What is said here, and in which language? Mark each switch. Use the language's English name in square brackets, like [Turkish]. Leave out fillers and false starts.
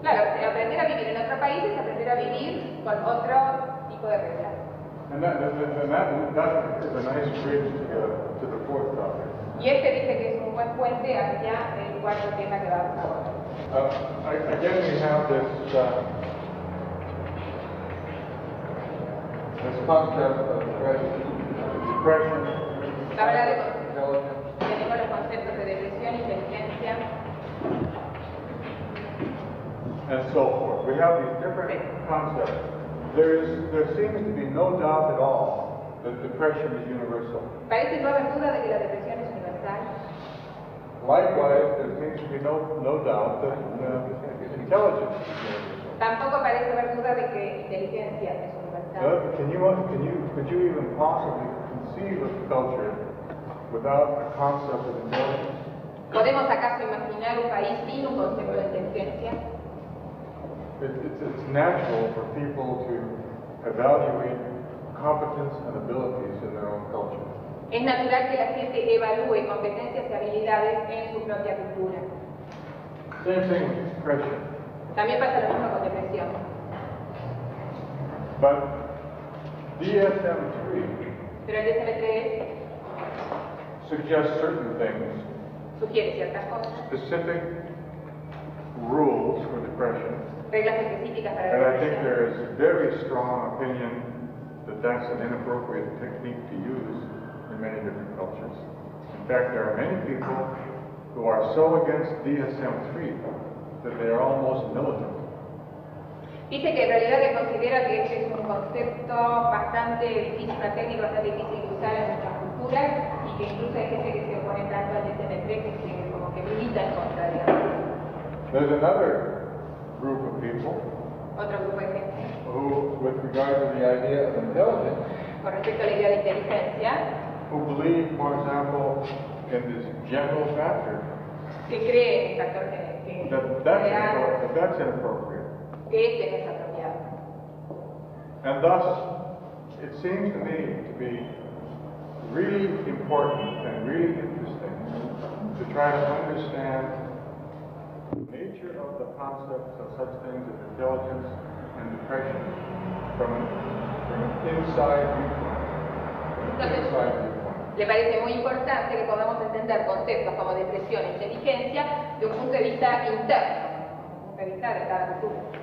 [Spanish] Claro, aprender a vivir en otro país es aprender a vivir con otro tipo de reglas. [English] And that is a nice bridge to the fourth topic. [Spanish] Y este dice que es un buen puente hacia el cuarto tema que vamos a abordar. [English] Again, we have this concept of depression. [Spanish] Habla de tenemos los conceptos de depresión, inteligencia, [English] and so forth. We have these different concepts. There seems to be no doubt at all that depression is universal. [Spanish] Parece no haber duda de que la depresión es universal. [English] Likewise, there seems to be no doubt that intelligence is universal. [Spanish] Tampoco parece haber duda de que inteligencia es universal. [English] Could you even possibly conceive of culture without a concept of intelligence? [Spanish] ¿Podemos acaso imaginar un país sin un concepto de inteligencia? [English] It's natural for people to evaluate competence and abilities in their own culture. [Spanish] Es natural que la gente evalúe competencias y habilidades en su propia cultura. [English] Same thing with depression. [Spanish] También pasa lo mismo con depresión. [English] But DSM-3. [Spanish] Pero el DSM-3 [English] suggests certain things. [Spanish] Sugiere ciertas cosas. [English] Specific rules for depression. [Spanish] Reglas específicas para [English] and And I think there is a very strong opinion that that's an inappropriate technique to use. many different cultures. In fact, there are many people who are so against DSM-3 that they are almost militant. [Spanish] Dice que en realidad él considera que ese es un concepto bastante difícil, una técnica bastante difícil de usar en nuestras culturas y que incluso hay gente que se opone tanto al DSM-3 que como que milita en contra, digamos. [English] There's another group of people. [Spanish] Otro grupo de gente. [English] Who, with regard to the idea of intelligence, [Spanish] con respecto a la idea de inteligencia, [English] who believe, for example, in this general factor, [Spanish] que cree en el factor que [English] that's inappropriate. [Spanish] Que es desapropiado. [English] And thus, it seems to me to be really important and really interesting to try to understand the nature of the concepts of such things as intelligence and depression from an inside viewpoint. [Spanish] Le parece muy importante que podamos entender conceptos como depresión e inteligencia de un punto de vista interno, de cada cultura.